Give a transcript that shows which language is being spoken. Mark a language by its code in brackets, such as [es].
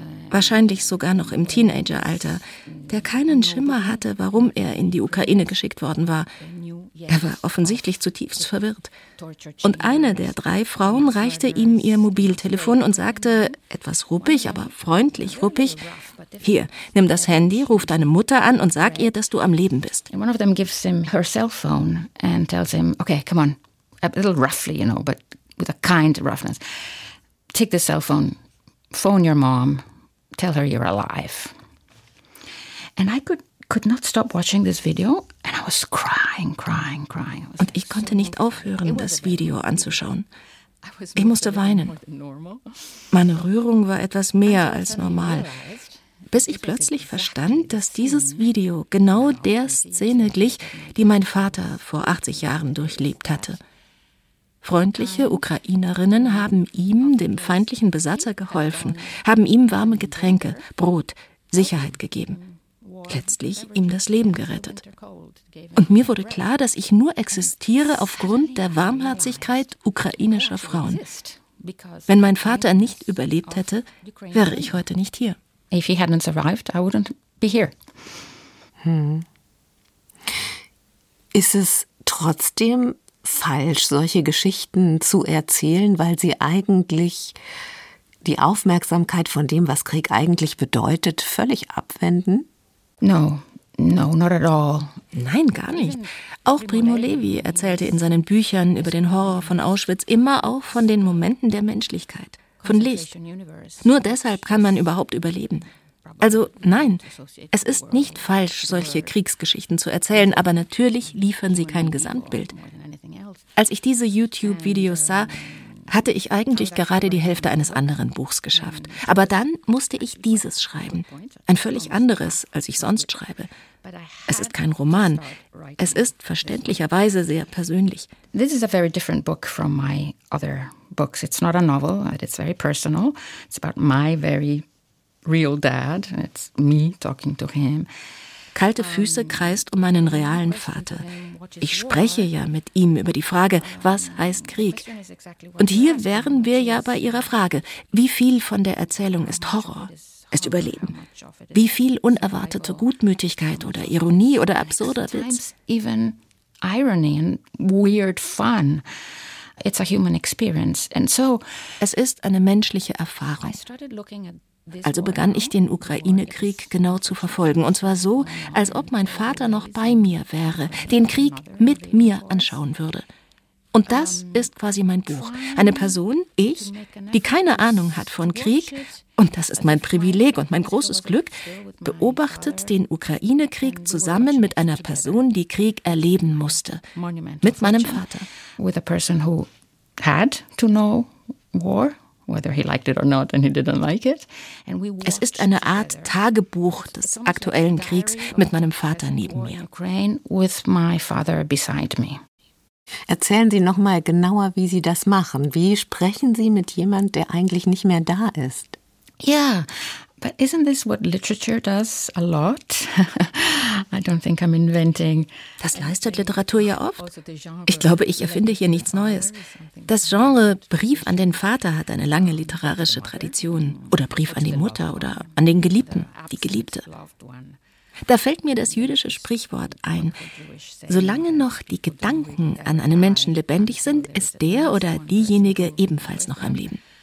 [de] Wahrscheinlich sogar noch im Teenageralter, der keinen Schimmer hatte, warum er in die Ukraine geschickt worden war. Er war offensichtlich zutiefst verwirrt. Und eine der drei Frauen reichte ihm ihr Mobiltelefon und sagte, etwas ruppig, aber freundlich ruppig, hier, nimm das Handy, ruf deine Mutter an und sag ihr, dass du am Leben bist. [en] One of them gives him her cell phone and tells him, okay, come on, a little roughly, you know, but with a kind roughness. Take the cell phone, phone your mom, tell her you're alive. And I could not stop watching this video and I was crying. [de] Und ich konnte nicht aufhören, das Video anzuschauen. Ich musste weinen. Meine Rührung war etwas mehr als normal. Bis ich plötzlich verstand, dass dieses Video genau der Szene glich, die mein Vater vor 80 Jahren durchlebt hatte. Freundliche Ukrainerinnen haben ihm, dem feindlichen Besatzer, geholfen, haben ihm warme Getränke, Brot, Sicherheit gegeben. Letztlich ihm das Leben gerettet. Und mir wurde klar, dass ich nur existiere aufgrund der Warmherzigkeit ukrainischer Frauen. Wenn mein Vater nicht überlebt hätte, wäre ich heute nicht hier. [en] If he hadn't survived, I wouldn't be here. [de] Ist es trotzdem falsch, solche Geschichten zu erzählen, weil sie eigentlich die Aufmerksamkeit von dem, was Krieg eigentlich bedeutet, völlig abwenden? [en] No, not at all. [de] Nein, gar nicht. Auch Primo Levi erzählte in seinen Büchern über den Horror von Auschwitz immer auch von den Momenten der Menschlichkeit, von Licht. Nur deshalb kann man überhaupt überleben. Also nein, es ist nicht falsch, solche Kriegsgeschichten zu erzählen, aber natürlich liefern sie kein Gesamtbild. Als ich diese YouTube-Videos sah, hatte ich eigentlich gerade die Hälfte eines anderen Buchs geschafft. Aber dann musste ich dieses schreiben. Ein völlig anderes, als ich sonst schreibe. Es ist kein Roman. Es ist verständlicherweise sehr persönlich. [en] This is a very different book from my other books. It's not a novel, but it's very personal. It's about my very real dad. It's me talking to him. [de] Kalte Füße kreist um meinen realen Vater. Ich spreche ja mit ihm über die Frage, was heißt Krieg? Und hier wären wir ja bei Ihrer Frage, wie viel von der Erzählung ist Horror, ist Überleben? Wie viel unerwartete Gutmütigkeit oder Ironie oder absurder Witz? [en] Even irony and weird fun. It's a human experience. And so, [de] es ist eine menschliche Erfahrung. Also begann ich den Ukraine-Krieg genau zu verfolgen. Und zwar so, als ob mein Vater noch bei mir wäre, den Krieg mit mir anschauen würde. Und das ist quasi mein Buch. Eine Person, ich, die keine Ahnung hat von Krieg, und das ist mein Privileg und mein großes Glück, beobachtet den Ukraine-Krieg zusammen mit einer Person, die Krieg erleben musste, mit meinem Vater. [en] With a person who had to know war. Whether he liked it or not, and he didn't like it. [de] Es ist eine Art Tagebuch des aktuellen Kriegs mit meinem Vater neben mir. [en] With my father beside me. [de] Erzählen Sie noch mal genauer, wie Sie das machen. Wie sprechen Sie mit jemand, der eigentlich nicht mehr da ist? [en] Yeah, but isn't this what literature does a lot? I don't think I'm inventing. [de] Das leistet Literatur ja oft. Ich glaube, ich erfinde hier nichts Neues. Das Genre Brief an den Vater hat eine lange literarische Tradition. Oder Brief an die Mutter oder an den Geliebten, die Geliebte. Da fällt mir das jüdische Sprichwort ein. Solange noch die Gedanken an einen Menschen lebendig sind, ist der oder diejenige ebenfalls noch am Leben.